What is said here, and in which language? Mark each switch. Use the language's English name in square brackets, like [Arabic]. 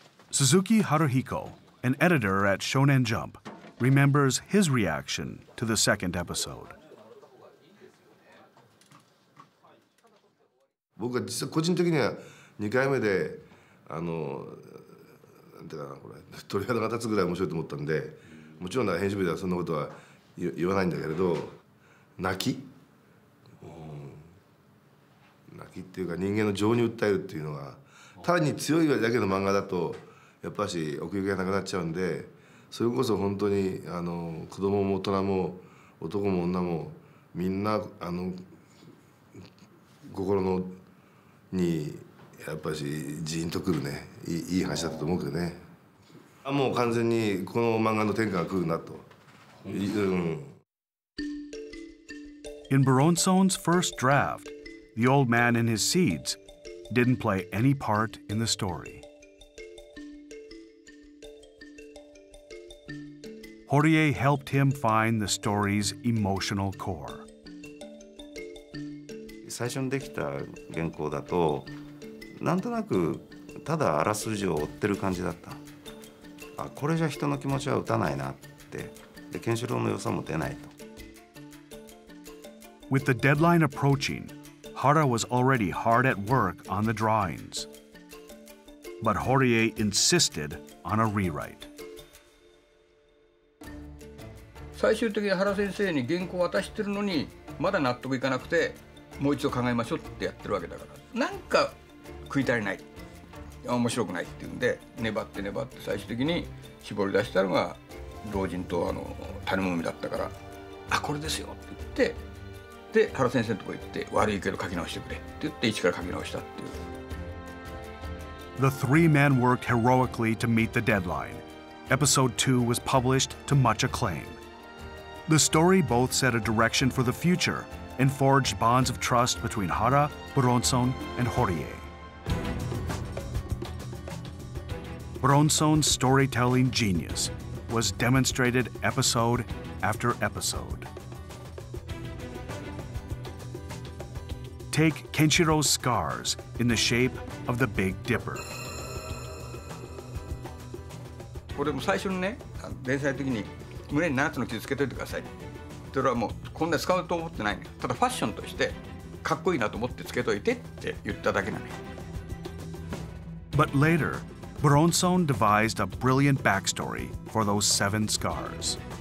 [English] Suzuki Haruhiko, an editor at Shonen Jump, remembers his reaction to the second episode. I think it's a good thing to do with the second episode. [Japanese] 鳥肌が立つぐらい面白いと思ったんで、もちろん編集部ではそんなことは言わないんだけれど、泣き、うん、泣きっていうか人間の情に訴えるっていうのは、単に強いだけの漫画だとやっぱし奥行きがなくなっちゃうんで、それこそ本当に子供も大人も男も女もみんな心のにやっぱしジーンとくるね、いい話だったと思うけどね。もう完全にこの漫画の天下が来るなと。うん。 [English] In Buronson's first draft, the old man and his seeds didn't play any part in the story. Horie helped him find the story's emotional core. [Japanese] 最初にできた原稿だと、なんとなくただあらすじを追ってる感じだった。これじゃ人の気持ちは打たないなって、でケンシロウの良さも出ないと。 [English] With the deadline approaching, Hara was already hard at work on the drawings. But Horie insisted on a rewrite. [Japanese] 最終的に原先生に原稿を渡してるのにまだ納得いかなくて、もう一度考えましょうってやってるわけだから、なんか食い足りない。面白くないっていうんで粘って粘って最終的に絞り出したのが老人と種もみだったから、あこれですよって言って、で原先生のとこ行って悪いけど書き直してくれって言って一から書き直したっていう。 [English] The three men worked heroically to meet the deadline. Episode 2 was published to much acclaim. The story both set a direction for the future and forged bonds of trust between Hara, Buronson and Horie. Buronson's storytelling genius was demonstrated episode after episode. Take Kenshiro's scars in the shape of the Big Dipper. [Japanese] これも最初にね、連載の時に胸に7つの傷つけておいてください。それはもうこんな使うと思ってないね。ただファッションとしてかっこいいなと思ってつけておいてって言っただけなの。 [English] But later,Buronson devised a brilliant backstory for those 7 scars.